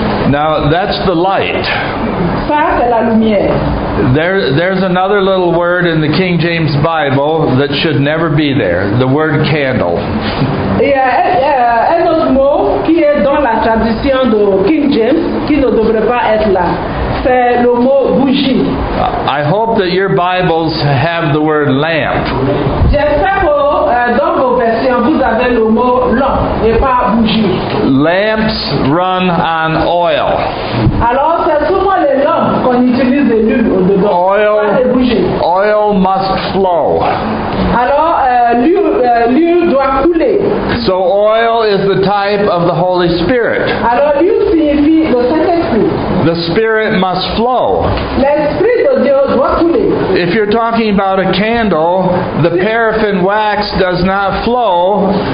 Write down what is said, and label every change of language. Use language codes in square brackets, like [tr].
[en] Now, that's the light. [fr] Ça, c'est la lumière. [en] There's another little word in the King James Bible that should never be there, the word candle. [fr] Un autre mot qui est dans la tradition de King James qui ne devrait pas être là. C'est le mot bougie. [en] I hope that your Bibles have the word lamp. [fr] J'espère que dans vos versions vous avez le mot lampe et pas bougie. [en] Lamps run on oil. [fr] Alors c'est souvent les lampes qu'on utilise de l'huile au-dedans, [en] oil, [fr] pas les bougies. [en] Oil must flow. [fr] Alors, l'huile doit couler. [en] So oil is the type of the Holy Spirit. [fr] Alors, l'huile signifie le Saint-Esprit. [en] The Spirit must flow. [fr] L'Esprit de Dieu doit couler. [en] If you're talking about a candle, the paraffin wax does not flow.